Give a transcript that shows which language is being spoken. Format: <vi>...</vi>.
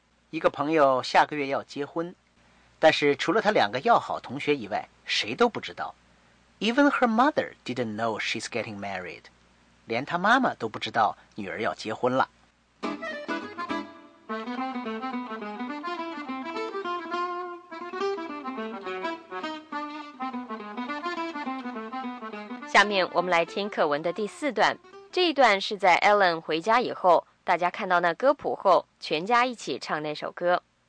<zh>一个朋友下个月要结婚，但是除了他两个要好同学以外，谁都不知道。</zh> <en>Even her mother didn't know she's getting married.</en> <zh>连他妈妈都不知道女儿要结婚了。下面我们来听课文的第四段，这一段是在 Ellen 回家以后，大家看到那歌谱后，全家一起唱那首歌。</zh>